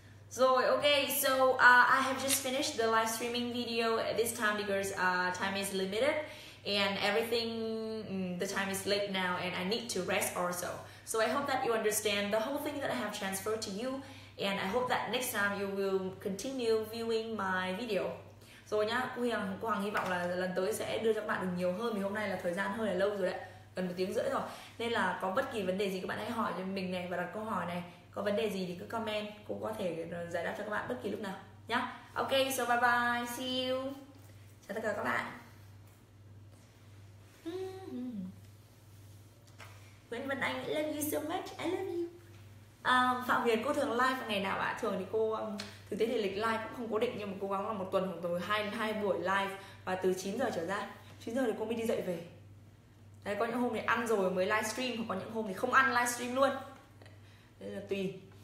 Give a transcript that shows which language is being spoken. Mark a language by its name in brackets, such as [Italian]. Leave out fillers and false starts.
[English] Rồi, ok, so I have just finished the live streaming video at this time because time is limited and everything, the time is late now and I need to rest also. So I hope that you understand the whole thing that I have transferred to you and I hope that next time you will continue viewing my video. [Vietnamese] Rồi nhá, cô Hằng hy vọng là lần tới sẽ đưa cho các bạn được nhiều hơn vì hôm nay là thời gian hơi là lâu rồi đấy, gần 1 tiếng rưỡi rồi. Nên là có bất kỳ vấn đề gì các bạn hãy hỏi cho mình này và đặt câu hỏi này. Có vấn đề gì thì cứ comment, cũng có thể giải đáp cho các bạn bất kỳ lúc nào nhá. [English] Ok, so bye bye, see you. [Vietnamese] Chào tất cả các bạn. [English] Nguyễn Văn Anh, I love you so much, I love you. [Vietnamese] Phạm Huyền, cô thường live ngày nào ạ? Thường thì cô, thực tế thì lịch live cũng không cố định, nhưng mà cố gắng là một tuần khoảng từ 2 buổi live và từ 9 giờ trở ra. 9 giờ thì cô mới đi dậy về. Đấy, có những hôm thì ăn rồi mới livestream, hoặc có những hôm thì không ăn livestream luôn. Đây là tùy.